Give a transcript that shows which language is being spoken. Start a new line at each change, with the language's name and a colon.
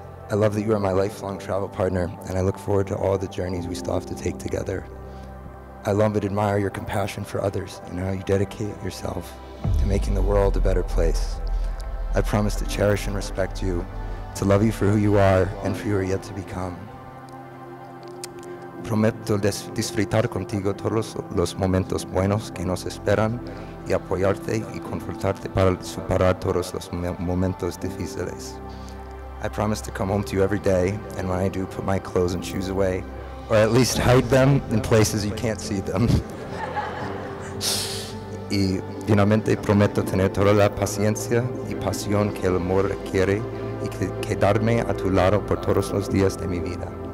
English: I love that you are my lifelong travel partner, and I look forward to all the journeys we still have to take together. I love and admire your compassion for others and how you dedicate yourself to making the world a better place. I promise to cherish and respect you, to love you for who you are and for who you are yet to become.
Spanish: Prometo disfrutar contigo todos los momentos buenos que nos esperan y apoyarte y confortarte para superar todos los momentos difíciles.
English: I promise to come home to you every day, and when I do, put my clothes and shoes away, or at least hide them in places you can't see them.
Spanish: Y finalmente prometo tener toda la paciencia y pasión que el amor requiere y quedarme a tu lado por todos los días de mi vida.